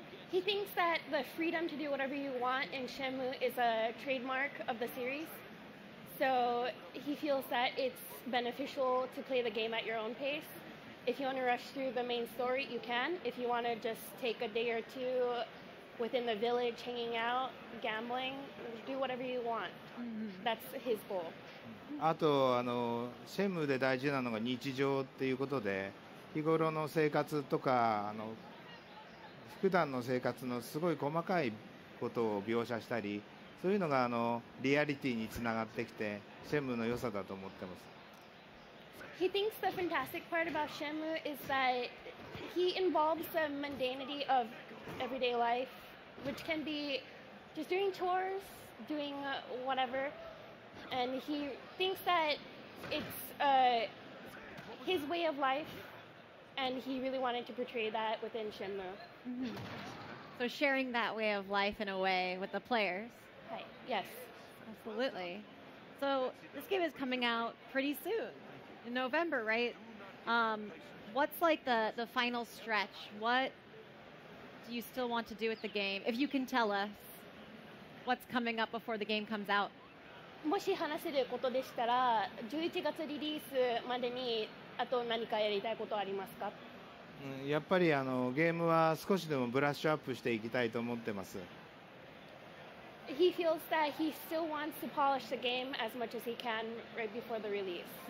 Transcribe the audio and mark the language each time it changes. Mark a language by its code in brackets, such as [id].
[en] He thinks that the freedom to do whatever you want in Shenmue is a trademark of the series, so he feels that it's beneficial to play the game at your own pace. If you want to rush through the main story, you can. If you want to just take a day or two within the village, hanging out, gambling, do whatever you want. That's his goal. [ja] あとあのシェムで大事なのが日常っていうことで日頃の生活とかあの普段の生活のすごい細かいことを描写したりそういうのがあのリアリティにつながってきてシェムの良さだと思ってます [en] He thinks the fantastic part about Shenmue is that he involves the mundanity of everyday life, which can be just doing chores, doing whatever. And he thinks that it's his way of life, and he really wanted to portray that within Shenmue. So sharing that way of life in a way with the players. Right. Yes. Absolutely. So this game is coming out pretty soon. In November, right? What's like the final stretch? What do you still want to do with the game? If you can tell us what's coming up before the game comes out. [ja] もし話せることでしたら、11月リリースまでにあと何かやりたいことありますか？やっぱりあのゲームは少しでもブラッシュアップしていきたいと思ってます。 [en] He feels that he still wants to polish the game as much as he can right before the release.